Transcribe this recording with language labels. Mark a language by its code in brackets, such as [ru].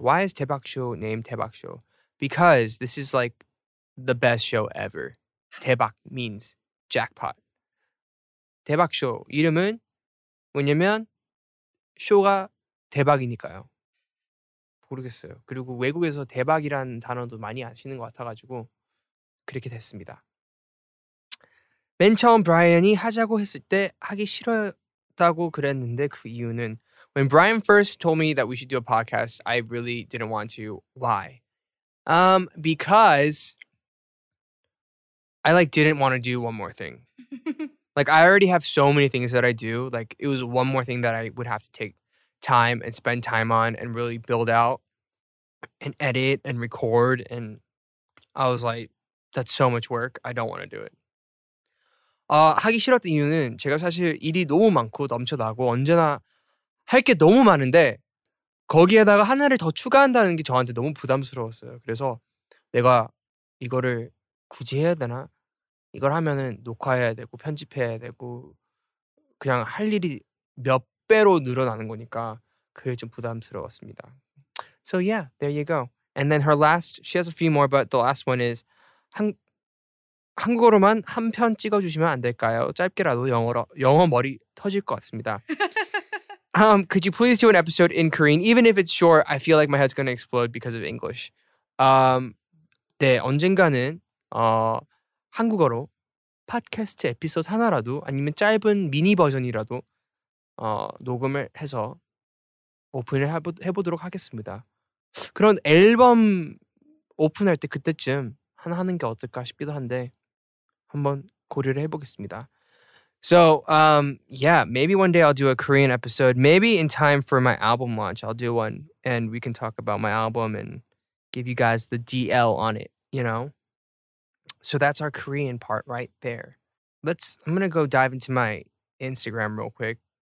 [en] Why is 대박쇼 named 대박쇼? Because this is like the best show ever. 대박 means jackpot. [ko] 대박쇼 이름은 뭐냐면 쇼가 대박이니까요. 모르겠어요. 그리고 외국에서 대박이라는 단어도 많이 아시는 것 같아가지고 그렇게 됐습니다. 맨 처음 브라이언이 하자고 했을 때 하기 싫었다고 그랬는데 그 이유는 [en] When Brian first told me that we should do a podcast, I really didn't want to. Why? Because I like didn't want to do one more thing. Like I already have so many things that I do. Like it was one more thing that I would have to take time and spend time on and really build out and edit and record. And I was like, that's so much work. I don't want to do it. [ko] 하기 싫었던 이유는 제가 사실 일이 너무 많고 넘쳐나고 언제나 할 게 너무 많은데 거기에다가 하나를 더 추가한다는 게 저한테 너무 부담스러웠어요. 그래서 내가 이거를 굳이 해야 되나? 이걸 하면은 녹화해야 되고 편집해야 되고 그냥 할 일이 몇 배로 늘어나는 거니까 그게 좀 부담스러웠습니다. [en] So yeah, there you go. And then her last, she has a few more, but the last one is [ko] 한국어로만 한 편 찍어주시면 안 될까요? 짧게라도 영어 머리 터질 것 같습니다. [en] could you please do an episode in Korean? Even if it's short, I feel like my head's going to explode because of English. [ko] 네, 언젠가는 한국어로 팟캐스트 에피소드 하나라도 아니면 짧은 미니 버전이라도 녹음을 해서 오픈을 해보도록 하겠습니다. 그런 앨범 오픈할 때 그때쯤 하는 게 어떨까 싶기도 한데 한번 고려를 해보겠습니다. [en] So, yeah, maybe one day I'll do a Korean episode. Maybe in time for my album launch, I'll do one. And we can talk about my album and give you guys the DL on it, you know? So that's our Korean part right there. I'm going to go dive into my Instagram real quick.